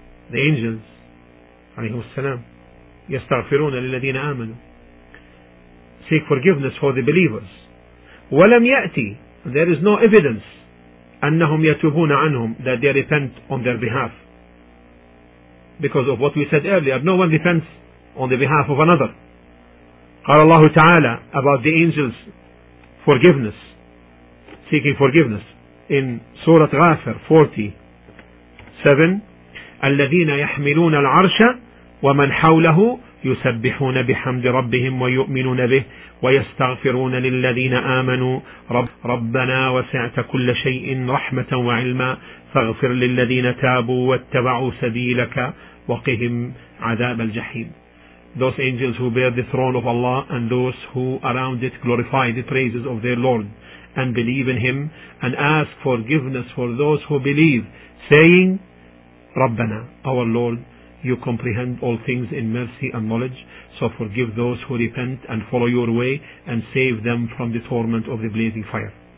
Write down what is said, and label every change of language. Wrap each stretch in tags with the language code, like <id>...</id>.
<en>The angels</en> <ar>عليهم السلام يستغفرون للذين آمنوا,</ar> <en>seek forgiveness for the believers.</en> <ar>ولم يأتي,</ar> <en>there is no evidence</en> <ar>أنهم يتوبون عنهم,</ar> <en>that they repent on their behalf. Because of what we said earlier, no one repents on the behalf of another.</en> <ar>قال الله تعالى</ar> <en>about the angels forgiveness, seeking forgiveness in Surah Ghafir 47,</en> <ar>الذين يحملون العرش ومن حوله يسبحون بحمد ربهم ويؤمنون به ويستغفرون للذين آمنوا ربنا وسعت كل شيء رحمة وعلما فاغفر للذين تابوا واتبعوا سبيلك وقهم عذاب الجحيم.</ar> <en>Those angels who bear the throne of Allah and those who around it glorify the praises of their Lord and believe in Him and ask forgiveness for those who believe, saying, Rabbana, our Lord, you comprehend all things in mercy and knowledge, so forgive those who repent and follow your way and save them from the torment of the blazing fire.</en>